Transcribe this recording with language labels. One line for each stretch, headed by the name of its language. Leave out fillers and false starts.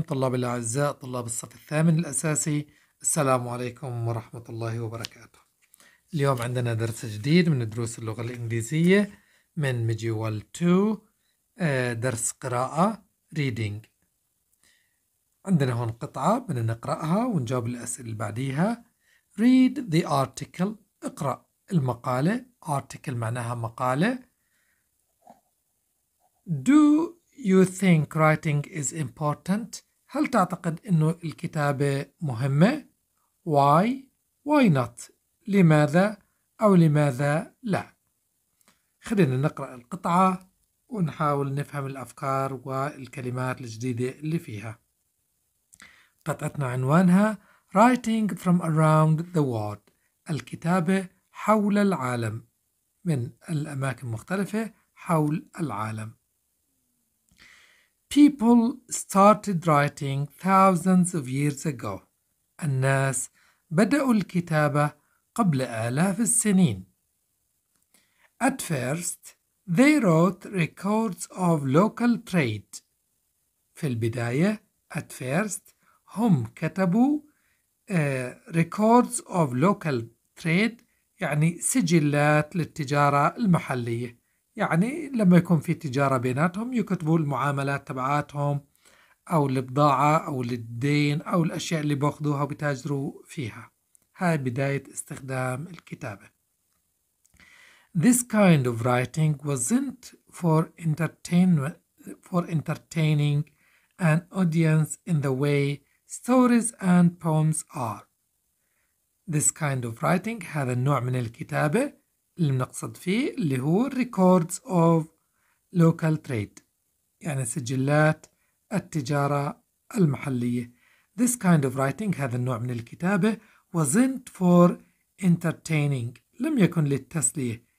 Arabic: طلاب الأعزاء، طلاب الصف الثامن الأساسي، السلام عليكم ورحمة الله وبركاته. اليوم عندنا درس جديد من دروس اللغة الإنجليزية من مجيول 2، درس قراءة reading. عندنا هون قطعة بدنا نقرأها ونجاوب الأسئلة اللي بعديها.
English: read the article،
Arabic: اقرأ المقالة. article معناها مقالة.
English: do you think writing is important؟
Arabic: هل تعتقد إنه الكتابة مهمة؟
English: why؟ why not؟
Arabic: لماذا أو لماذا لا؟ خلينا نقرأ القطعة ونحاول نفهم الأفكار والكلمات الجديدة اللي فيها. قطعتنا عنوانها
English: writing from around the world،
Arabic: الكتابة حول العالم، من الأماكن المختلفة حول العالم.
English: People started writing thousands of years ago.
Arabic: الناس بدأوا الكتابة قبل آلاف السنين.
English: At first, they wrote records of local trade.
Arabic: في البداية,
English: at first,
Arabic: هم كتبوا
English: records of local trade,
Arabic: يعني سجلات للتجارة المحلية. يعني لما يكون في تجارة بيناتهم يكتبوا المعاملات تبعاتهم أو البضاعة أو الدين أو الأشياء اللي بأخذوها وبتاجروا فيها. هاي بداية استخدام الكتابة.
English: This kind of writing wasn't for entertaining an audience in the way stories and poems are. This kind of writing,
Arabic: هذا النوع من الكتابة اللي بنقصد فيه اللي هو
English: records of local trade،
Arabic: يعني سجلات التجارة المحلية.
English: This kind of writing،
Arabic: هذا النوع من الكتابة،
English: wasn't for entertaining،
Arabic: لم يكن للتسلية.